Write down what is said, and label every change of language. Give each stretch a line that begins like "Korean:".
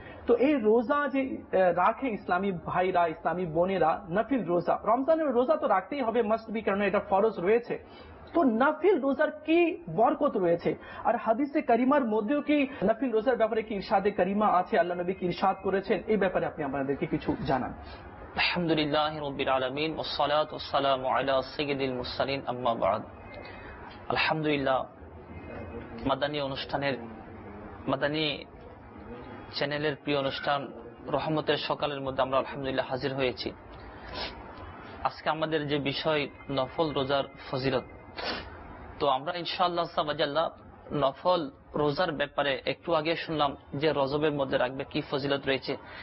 Bangla: তো এই রোজা যে রাখে ইসলামী ভাইরা, ইসলামী বোনেরা, নফিল রোজা, রমজানের রোজা তো রাখতেই হবে, মাস্ট বি, কারণ এটা ফরজ রয়েছে। তো নফিল রোজার কি বরকত রয়েছে? আর হাদিসে করিমার মধ্যেও কি নফিল রোজার ব্যাপারে কি ইরশাদে করিমা আছে, আল্লাহ নবী কি ইরশাদ করেছেন, এই ব্যাপারে আপনি আমাদেরকে কিছু জানান।
Arabic: আলহামদুলিল্লাহ রাব্বিল আলামিন والصلاه والسلام على سيد المرسلين اما بعد।
Bangla: আলহামদুলিল্লাহ মাদানী অনুষ্ঠানের, মাদানী চ্যানেলের প্রিয় অনুষ্ঠান রহমতের সকালের মধ্যে আমরা আলহামদুলিল্লাহ হাজির হয়েছি। আজকে আমাদের যে বিষয় নফল রোজার ফজিলত, তো আমরা ইনশাআল্লাহ সাবাজাল্লাহ নফল রোজার ব্যাপারে একটু আগে শুনলাম যে রজবের মধ্যে রাখবে কি ফজিলত রয়েছে।